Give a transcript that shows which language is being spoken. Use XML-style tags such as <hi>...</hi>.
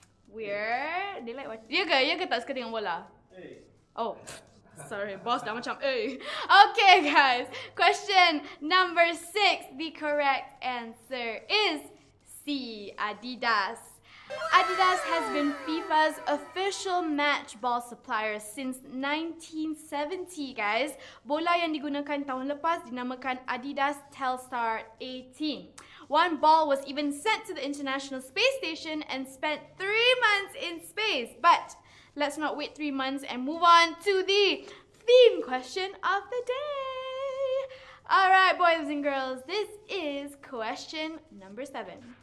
<en>Weird. They like watching.</en> <ms>Ya ke tak suka tengok bola?</ms> <en>Oh, sorry,</en> <ms>boss dah macam, eh.</ms> <en>Okay guys, question number 6, the correct answer is C, Adidas. Adidas has been FIFA's official match ball supplier since 1970, guys.</en> <ms>Bola yang digunakan tahun lepas dinamakan Adidas Telstar 18.</ms> <en>One ball was even sent to the International Space Station and spent 3 months in space, but let's not wait 3 months and move on to the theme question of the day. Alright, boys and girls, this is question number 7.</en>